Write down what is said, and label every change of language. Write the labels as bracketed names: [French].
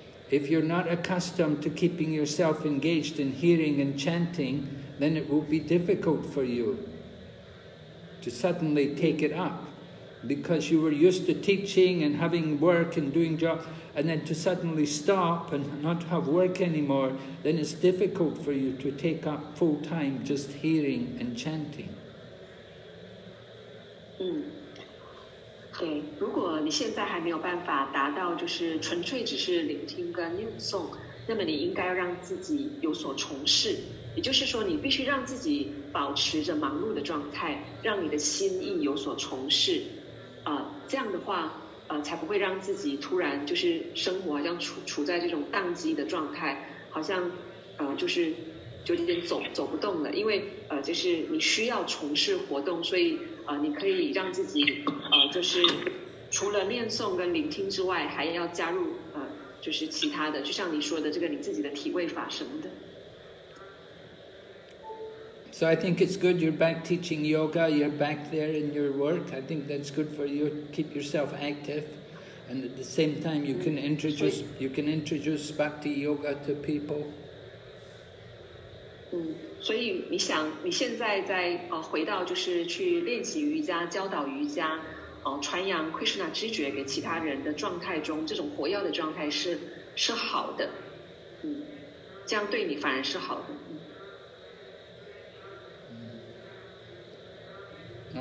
[English] If you're not accustomed to keeping yourself engaged in hearing and chanting, then it will be difficult for you to suddenly take it up, because you were used to teaching and having work and doing jobs, and then to suddenly stop and not have work anymore, then it's difficult for you to take up full time just hearing and chanting. [Chinese] 对，如果你现在还没有办法达到就是纯粹只是聆听跟念诵，那么你应该让自己有所从事，也就是说你必须让自己保持着忙碌的状态，让你的心意有所从事，这样的话，才不会让自己突然就是生活好像处在这种宕机的状态，好像就是就有点走不动了，因为就是你需要从事活动，所以你可以让自己就是除了念诵跟聆听之外，还要加入就是其他的，就像你说的这个你自己的体位法什么的。 [English] So I think it's good you're back teaching yoga, you're back there in your work. I think that's good for you, keep yourself active. And at the same time, you can introduce bhakti yoga to people. [Chinese] 所以你想你现在在回到就是去练习瑜伽教导瑜伽传扬 Krishna 知觉给其他人的状态中，这种活跃的状态是好的，这样对你反而是好的。